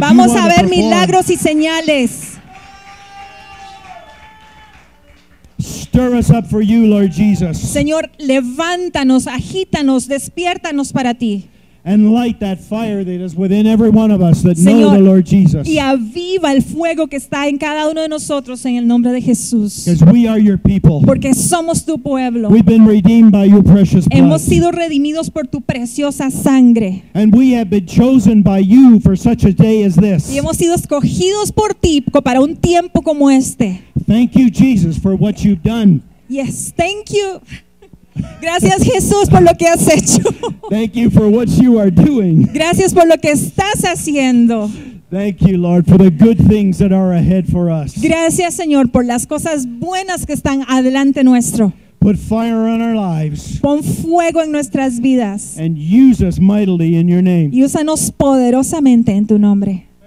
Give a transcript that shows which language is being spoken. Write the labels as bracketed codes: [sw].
[es] vamos [en] you [es] a ver milagros y señales. [en] Stir us up for you, Lord Jesus. [es] Señor, levántanos, agítanos, despiértanos para ti. [en] And light that fire that is within every one of us that [es] Señor, [en] know the Lord Jesus. [es] Y aviva el fuego que está en cada uno de nosotros en el nombre de Jesús. [en] Because we are your people. [es] Porque somos tu pueblo. [en] We've been redeemed by your precious blood. [es] Hemos sido redimidos por tu preciosa sangre. [en] And we have been chosen by you for such a day as this. [es] Y hemos sido escogidos por ti para un tiempo como este. [en] Thank you, Jesus, for what you've done. Yes, thank you. [es] Gracias, Jesús, por lo que has hecho. [en] Thank you for what you are doing. [es] Gracias por lo que estás haciendo. [en] Thank you, Lord, for the good things that are ahead for us. [es] Gracias, Señor, por las cosas buenas que están adelante nuestro. [en] Put fire on our lives. [es] Pon fuego en nuestras vidas. [en] And use us mightily in your name. [es] Y úsanos poderosamente en tu nombre.